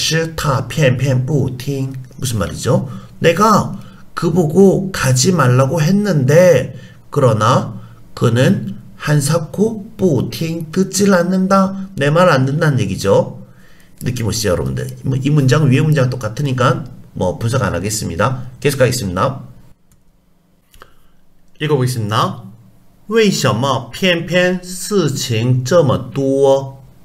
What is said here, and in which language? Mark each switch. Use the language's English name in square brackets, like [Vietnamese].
[Chinese] 我叫他别去，可是他偏偏不听。 [Korean] 무슨 말이죠? 내가 그보고 가지 말라고 했는데 그러나 그는 한사코 뿌팅 듣질 않는다. 내말안 듣는다는 얘기죠. 느낌 오시죠, 여러분들? 이 문장 위에 문장 똑같으니까 뭐 분석 안 하겠습니다. 계속 가겠습니다. 읽어보겠습니다. [Chinese] 为什么偏偏事情这么多？